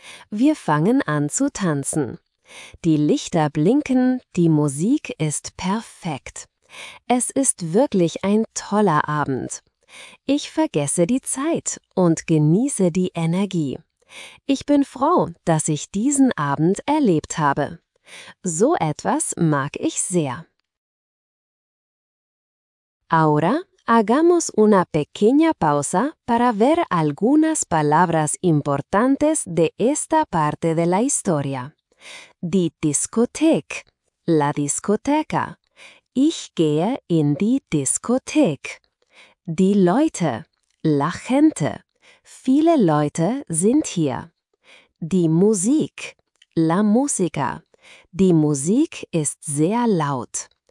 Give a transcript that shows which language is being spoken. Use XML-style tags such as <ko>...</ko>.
<de>Wir fangen an zu tanzen. Die Lichter blinken, die Musik ist perfekt. Es ist wirklich ein toller Abend. Ich vergesse die Zeit und genieße die Energie. Ich bin froh, dass ich diesen Abend erlebt habe. So etwas mag ich sehr.</de> <es>Ahora hagamos una pequeña pausa para ver algunas palabras importantes de esta parte de la historia.</es> <de>Die Diskothek,</de> <es>la discoteca.</es> <de>Ich gehe in die Diskothek. Die Leute.</de> <es>La gente.</es> <de>Viele Leute sind hier. Die Musik.</de> <es>La musica.</es> <de>Die Musik ist sehr laut.</de>